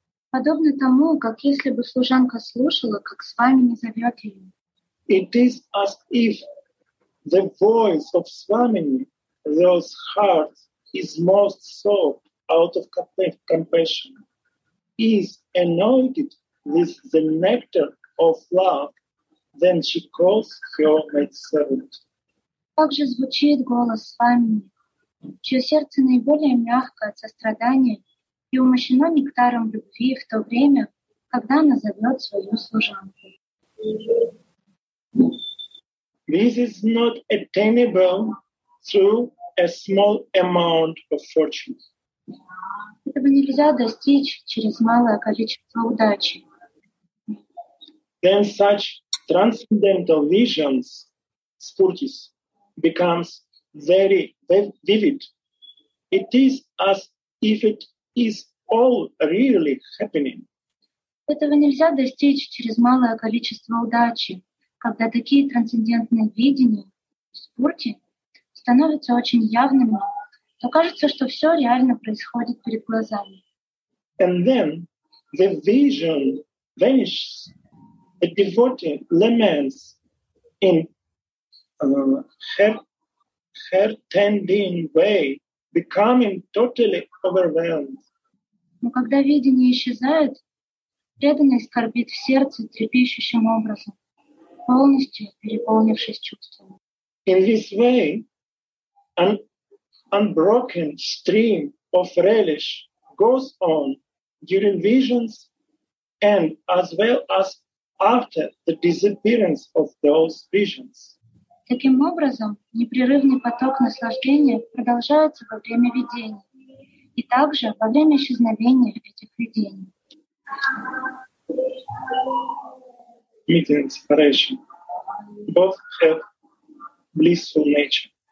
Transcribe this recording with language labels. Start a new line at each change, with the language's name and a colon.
Russian: Подобно тому, как если бы служанка слушала, как Свамини зовет ее.
English: It is as if the voice of Swamini, those hearts, is most soft out of compassion, is anointed with the nectar of love, then she calls her maidservant.
Russian: Так же звучит голос Свамини, чье сердце наиболее мягкое от сострадания и умощено нектаром любви в то время, когда она зовет свою служанку.
English: This is not attainable through a small amount of fortune.
Russian: Этого нельзя достичь через малое количество удачи.
English: Then such transcendental visions, spurtis, becomes very vivid. It is as if it is all really happening.
Russian: Этого нельзя достичь через малое количество удачи. Когда такие трансцендентные видения в спурте становятся очень явными, то кажется, что все реально происходит перед глазами.
English: And then the vision vanishes. A devotee laments in heart-tending way, becoming totally overwhelmed.
Russian: Но когда видение исчезает, преданный скорбит в сердце трепещущим образом, полностью переполнившись чувствами.
English: In this way, an unbroken stream of relish goes on during visions and as well as after the disappearance of those visions.
Russian: Таким образом, непрерывный поток наслаждения продолжается во время видений и также во время исчезновения этих видений.
English: Meeting and separation. Both have blissful nature.